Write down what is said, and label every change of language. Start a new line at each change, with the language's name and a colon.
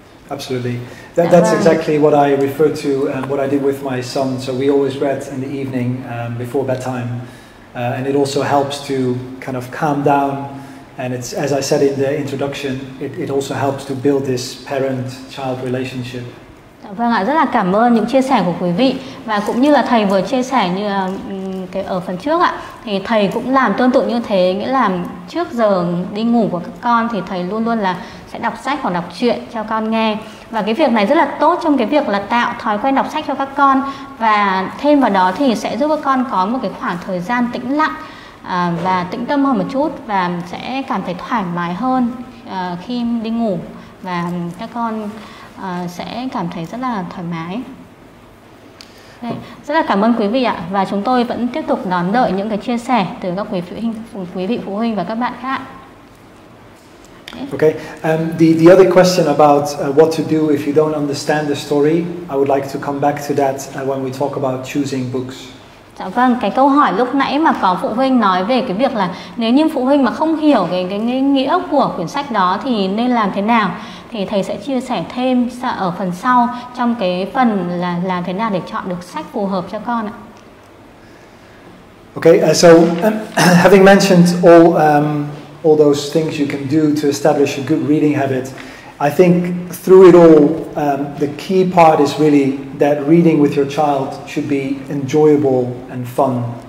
English: Absolutely, that's exactly what I referred to and what I did with my son. So we always read in the evening before bedtime. And it also helps to kind of calm down, and it's, as I said in the introduction, it also helps to build this parent-child relationship.
Vietnamese: Dạ Vâng ạ, rất là cảm ơn những chia sẻ của quý vị. Và cũng như là thầy vừa chia sẻ như cái ở phần trước ạ, thì thầy cũng làm tương tự như thế, nghĩa là trước giờ đi ngủ của các con thì thầy luôn luôn là sẽ đọc sách hoặc đọc truyện cho con nghe. Và cái việc này rất là tốt trong cái việc là tạo thói quen đọc sách cho các con, và thêm vào đó thì sẽ giúp các con có một cái khoảng thời gian tĩnh lặng và tĩnh tâm hơn một chút, và sẽ cảm thấy thoải mái hơn khi đi ngủ, và các con sẽ cảm thấy rất là thoải mái. Đây, rất là cảm ơn quý vị ạ, và chúng tôi vẫn tiếp tục đón đợi những cái chia sẻ từ các quý vị phụ huynh và các bạn khác.
English: Okay, the other question about what to do if you don't understand the story, I would like to come back to that when we talk about choosing books.
Vietnamese: Dạ vâng, cái câu hỏi lúc nãy mà có phụ huynh nói về cái việc là nếu như phụ huynh mà không hiểu cái nghĩa của quyển sách đó thì nên làm thế nào, thì thầy sẽ chia sẻ thêm ở phần sau trong cái phần là làm thế nào để chọn được sách phù hợp cho con ạ.
English: Okay, so having mentioned all those things you can do to establish a good reading habit, I think through it all the key part is really that reading with your child should be enjoyable and fun.